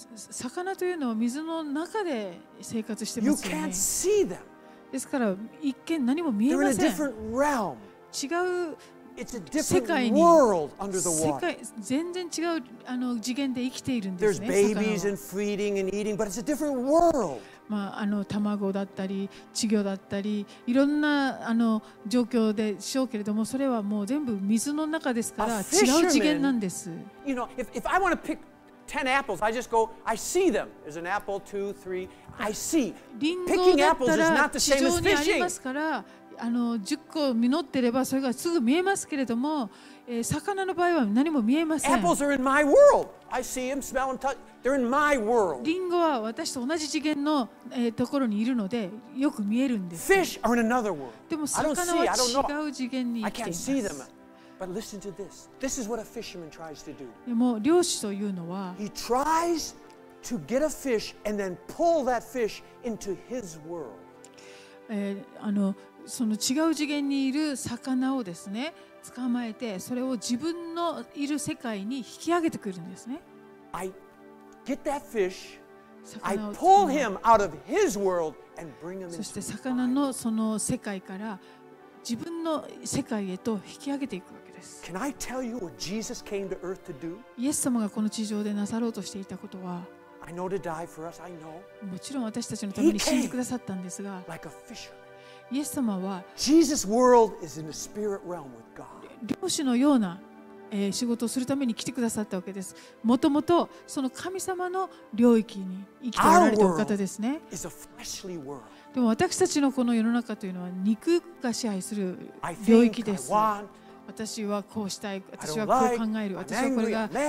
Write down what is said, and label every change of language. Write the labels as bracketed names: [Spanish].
[Japanese] 魚というのは水の中で生活してますよね。 [English] You can't see them. [Japanese] ですから一見何も見えません。 [English] They're in a different realm. [Japanese] 違う、 [English] It's a different world under the water. [Japanese] 世界、全然違う、次元で生きているんですね。 [English] There's babies and feeding and eating, but it's a different world. [Japanese] まあ、卵だったり稚魚だったりいろんな状況でしょうけれども、それはもう全部水の中ですから違う次元なんです。 [English] A fisherman, you know, if I want to pick 10 apples, I just go, I see them. There's an apple, two, three, I see. Picking apples is not the same as fishing. [Japanese] 地上にありますから、10個実ってればそれがすぐ見えますけれども、魚の場合は何も見えません。 [English] Apples are in my world. I see them, smell them, touch. They're in my world. [Japanese] リンゴは私と同じ次元の、ところにいるのでよく見えるんです。 [English] Fish are in another world. [Japanese] でも魚は違う次元に生きています。 [English] I can't see them. But listen to this. This is what a fisherman tries to do. [Japanese] でも漁師というのは [English] He tries to get a fish and then pull that fish into his world. [Japanese] その違う次元にいる魚をですね、捕まえてそれを自分のいる世界に引き上げてくるんですね。 [English] I get that fish, I pull him out of his world and bring him into [Japanese] そして魚のその世界から自分の世界へと引き上げていくわけです。 [English] Can I tell you what Jesus came to earth to do? [Japanese] イエス様がこの地上でなさろうとしていたことは、 [English] I know to die for us, I know. [Japanese] もちろん私たちのために死んでくださったんですが、 [English] He came like a fisherman. [Japanese] イエス様は [English] Jesus' world is in the spirit realm with God. [Japanese] 漁師のような、仕事をするために来てくださったわけです。もともとその神様の領域に生きておられたお方ですね。 [English] Our world is a fleshly world. [Japanese] でも私たちのこの世の中というのは肉が支配する領域です。 [English] I think, I want, [Japanese] 私はこうしたい、私はこう考える、私はこれが